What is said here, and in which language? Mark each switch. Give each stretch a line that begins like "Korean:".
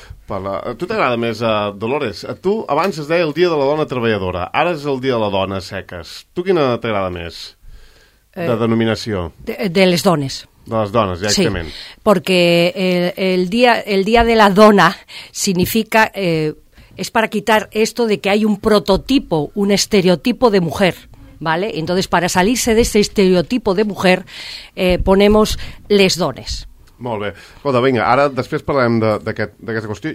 Catalan: Tu t'agrada més, Dolores? Tu abans es deia el dia de la dona treballadora, ara és el dia de la dona seques. Tu quina t'agrada més de denominació? De les dones. De les dones, directament. Sí, perquè el dia de la dona significa...
Spanish: es para quitar esto de que hay un prototipo, un estereotipo de mujer, ¿vale? Entonces, para salirse de ese estereotipo de mujer, ponemos
Catalan: les dones. Molt bé. Escolta, vinga, ara després parlarem d'aquesta qüestió.